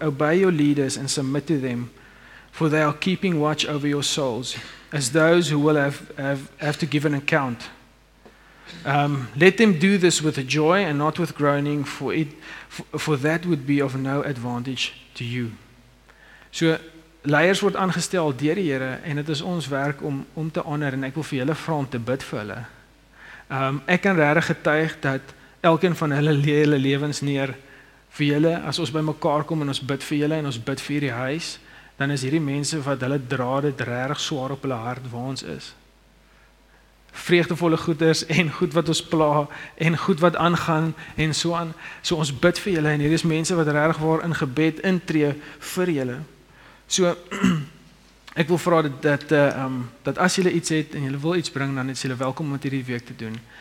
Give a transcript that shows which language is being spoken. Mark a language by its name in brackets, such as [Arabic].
[English] Obey your leaders and submit to them, for they are keeping watch over your souls, as those who will have to give an account. Let them do this with joy and not with groaning, for that would be of no advantage to you. [Afrikaans] So, leiers word aangestel deur die Here, en het is ons werk om te honor, en ek wil vir julle vra om te bid vir hulle. Ek kan regtig getuig dat elkeen van hulle lê hulle lewens neer vir julle. As ons by mekaar kom en ons bid vir julle en ons bid vir hierdie huis, dan is hierdie mense wat hulle dra dit regtig swaar op hulle hart waar ons is. vreugdevolle goeders en goed wat ons pla en goed wat aangaan en so aan. So ons bid vir julle en hier is mense wat regtig waar in gebed intree vir julle. So ek wil vra dat as julle iets het en julle wil iets bring, dan is julle welkom om dit hierdie week te doen.